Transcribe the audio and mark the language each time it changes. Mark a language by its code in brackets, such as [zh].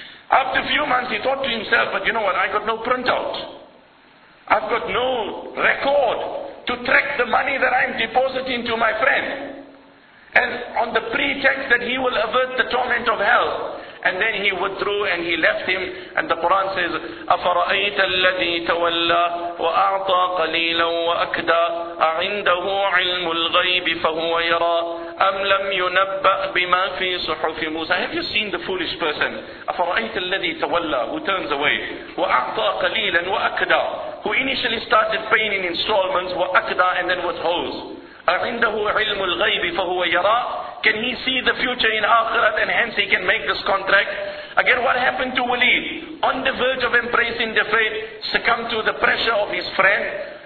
[en] After a few months he thought to himself, but you know what, I got no printout. I've got no record to track the money that I'm depositing to my friend. And on the pretext that he will avert the torment of hell. And then he withdrew and he left him. And the Quran says, [ar] أَفَرَأَيْتَ الَّذِي تَوَلَّى وَأَعْطَى قَلِيلًا وَأَكْدَى أَعِنْدَهُ عِلْمُ الْغَيْبِ فَهُوَ يَرَى أَمْ لَمْ يُنَبَّأْ بِمَا فِي صُحُفِ مُوسَى [en] Have you seen the foolish person? [ar] أَفَرَأَيْتَ الَّذِي تَوَلَّى [en] Who turns away. [ar] وَأَعْطَى قَلِيلًا وَأَكْدَى [en] Who initially started paying in installments, [ar] وَأَكْدَى [en] and then withholds. [ar] أَعِنْدَهُ عِلْمُ الْغَيْبِ فَهُوَ يَرَى [en] Can he see the future in Akhirat and hence he can make this contract? Again, what happened to Waleed? On the verge of embracing the faith, succumbed to the pressure of his friend.